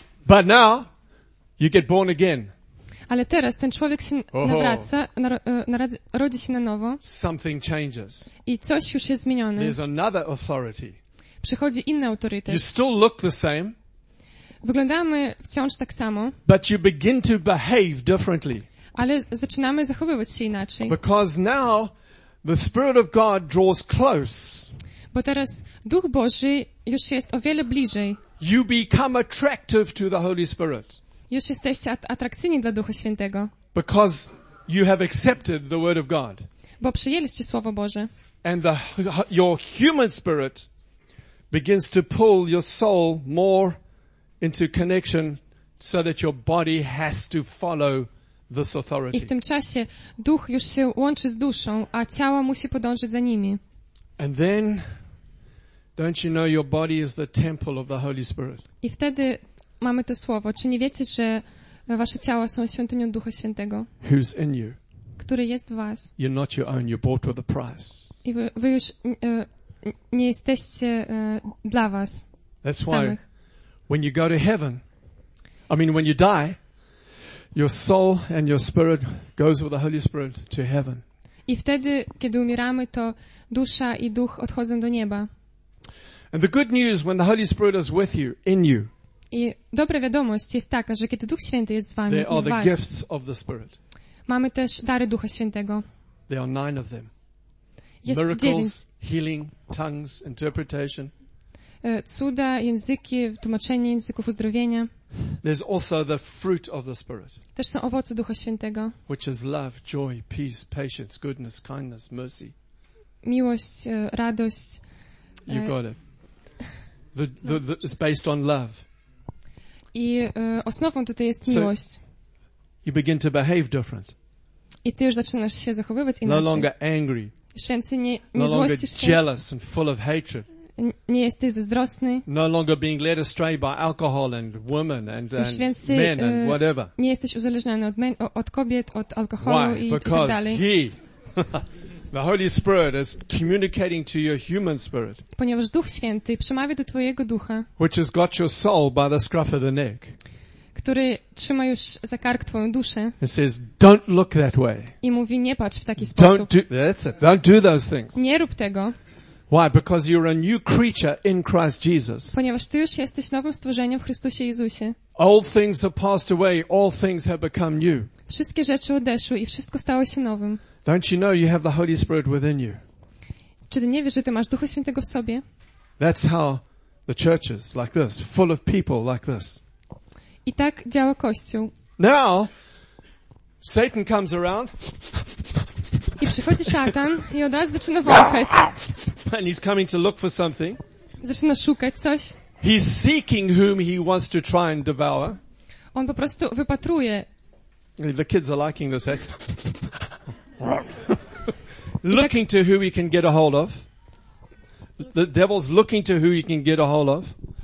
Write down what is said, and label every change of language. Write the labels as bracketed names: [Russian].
[English] But now you get born again. [Polish] Ale teraz ten człowiek się nawraca, rodzi się na nowo. [English] Something changes. [Polish] I coś już jest zmienione. [English] There's another authority. [Polish] Przychodzi inny autorytet. [English] You still look the same. [Polish] Wyglądamy wciąż tak samo. [English] But you begin to behave differently. [Polish] Ale zaczynamy zachowywać się inaczej. [English] Because now the Spirit of God draws close. [Polish] Bo teraz Duch Boży już jest o wiele bliżej. [English] You become attractive to the Holy Spirit. [Polish] Już jesteście atrakcyjni dla Ducha Świętego. [English] Because you have accepted the Word of God. [Polish] Bo przyjęliście Słowo Boże. [English] And your human spirit begins to pull your soul more into connection so that your body has to follow this authority. [Polish] I w tym czasie duch już się łączy z duszą, a ciało musi podążyć za nimi. [English] And then, don't you know your body is the temple of the Holy Spirit? [Polish] I wtedy mamy to słowo. Czy nie wiecie, że wasze ciała są świątynią Ducha Świętego? [English] Who's in you? [Polish] który jest w was. [English] You're not your own, you're bought with a price. [Polish] I wy już nie jesteście dla was. [English] That's [Polish] samych. [English] Why when you go to heaven, I mean when you die, your soul and your spirit goes with the Holy Spirit to heaven. [Polish] I wtedy, kiedy umieramy, to dusza i duch odchodzą do nieba. [English] And the good news when the Holy Spirit is with you, in you. [Polish] I dobra wiadomość jest taka, że kiedy Duch Święty jest z wami, [English] there are [Polish] i was, [English] the gifts of the Spirit. [Polish] Mamy też dary Ducha Świętego. [English] There are nine of them. [Polish] Jest [English] miracles, healing, tongues, interpretation. [Polish] Cuda, języki, tłumaczenie języków, uzdrowienia. [English] There's also the fruit of the Spirit. [Polish] Też są owoce Ducha Świętego. [English] Which is love, joy, peace, patience, goodness, kindness, mercy. [Polish] Miłość, radość. [English] You got it. The is based on love. [Polish] I osnową tutaj jest miłość. [English] So you begin to behave different. [Polish] I ty już zaczynasz się zachowywać inaczej. [English] No longer angry. [Polish] Już więcej nie złościsz się. [English] No longer jealous and full of hatred. [Polish] Nie jesteś zazdrosny. [English] No longer being led astray by alcohol and women and men and whatever. [Polish] Nie jesteś uzależniony od kobiet, od alkoholu [English] why? [Polish] I [English] because [Polish] tak dalej. [English] He, the Holy Spirit is communicating to your human spirit. [Polish] Ponieważ Duch Święty przemawia do twojego ducha. [English] Which has got your soul by the scruff of the neck. [Polish] Który trzyma już za kark twoją duszę. [English] It says, don't look that way. [Polish] I mówi, nie patrz w taki [English] don't [Polish] sposób. [English] Do, that's it. Don't do those things. [Polish] Nie rób tego. [English] Why? Because you're a new creature in Christ Jesus. [Polish] Ponieważ ty już jesteś nowym stworzeniem w Chrystusie Jezusie. [English] Old things have passed away, all things have become new. [Polish] Wszystkie rzeczy odeszły i wszystko stało się nowym. [English] Don't you know you have the Holy Spirit within you? [Polish] Czy ty nie wiesz, że ty masz Ducha Świętego w sobie? [English] That's how the church is, like this, full of people like this. [Polish] I tak działa Kościół. [English] Now, Satan comes around. [Polish] I przychodzi szatan i od razu zaczyna wąchać. [English] And he's coming to look for something. [Polish] Zaczyna szukać coś. [English] He's seeking whom he wants to try and devour. [Polish] On po prostu wypatruje. [English] The kids are liking this. Looking to who he can get a hold of. The devil's looking to who he can get a hold of.